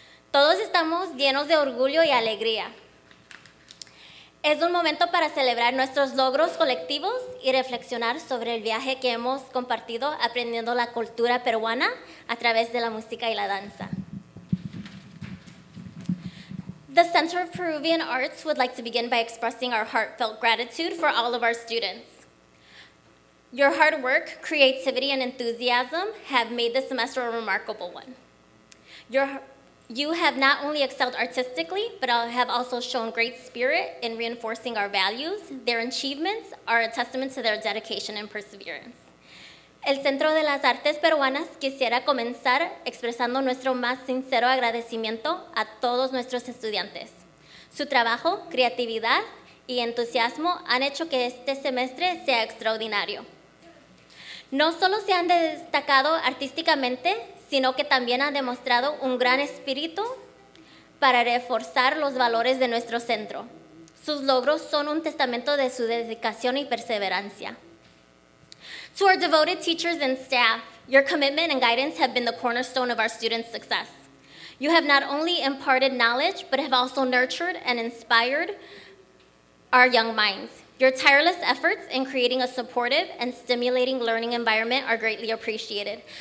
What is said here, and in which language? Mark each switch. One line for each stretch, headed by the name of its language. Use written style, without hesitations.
Spanish: Todos estamos llenos de orgullo y alegría. Es un momento para celebrar nuestros logros colectivos y reflexionar sobre el viaje que hemos compartido aprendiendo la cultura peruana a través de la música y la danza.
English: The Center of Peruvian Arts would like to begin by expressing our heartfelt gratitude for all of our students. Your hard work, creativity, and enthusiasm have made this semester a remarkable one. You have not only excelled artistically, but have also shown great spirit in reinforcing our values. Their achievements are a testament to their dedication and perseverance.
Spanish: El Centro de las Artes Peruanas quisiera comenzar expresando nuestro más sincero agradecimiento a todos nuestros estudiantes. Su trabajo, creatividad y entusiasmo han hecho que este semestre sea extraordinario. No solo se han destacado artísticamente, sino que también han demostrado un gran espíritu para reforzar los valores de nuestro centro. Sus logros son un testamento de su dedicación y perseverancia.
English: To our devoted teachers and staff, your commitment and guidance have been the cornerstone of our students' success. You have not only imparted knowledge, but have also nurtured and inspired our young minds. Your tireless efforts in creating a supportive and stimulating learning environment are greatly appreciated.